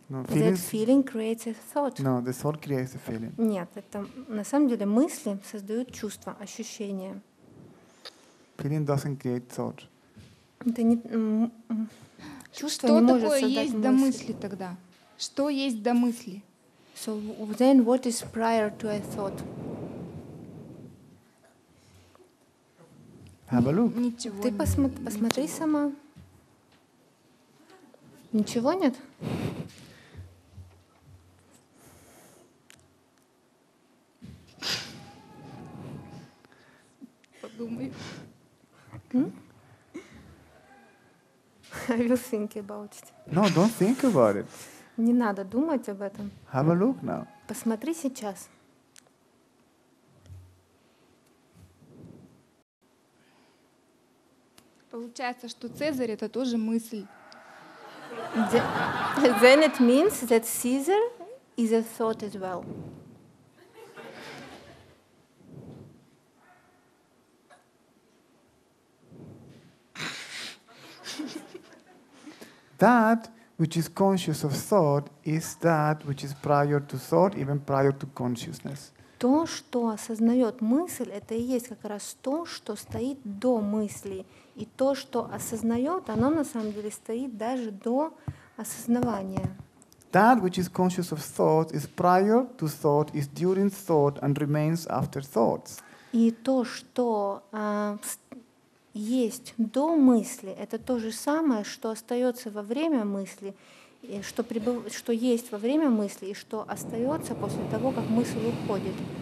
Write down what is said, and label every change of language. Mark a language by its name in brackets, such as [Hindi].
[English] No, feelings, that feeling creates a thought. No, the thought creates a feeling. [Russian] Нет, это на самом деле мысли создают чувства, ощущения. [English] Feeling doesn't create thought. [Russian] Это не, чувство что не может создать мысли. Что такое есть до мысли тогда? Что есть до мысли? [English] So then what is prior to a thought? Have a look. [Russian] Ничего. Ты посмотри ничего. Сама. Ничего нет? Подумай. [English] I will think about it. No, don't think about it. [Russian] Не надо думать об этом. [English] Have a look now. [Russian] Посмотри сейчас. Получается, что Цезарь — это тоже мысль. [English] Then it means that Caesar is a thought as well. That which is conscious of thought is that which is prior to thought, even prior to consciousness. [Russian] То, что осознает мысль, это и есть как раз то, что стоит до мысли. И то, что осознает, оно на самом деле стоит даже до осознавания. [English] That which is conscious of thought is prior to thought, is during thought and remains after thoughts. [Russian] И то, что есть до мысли, это то же самое, что остается во время мысли, и что, что есть во время мысли и что остается после того, как мысль уходит.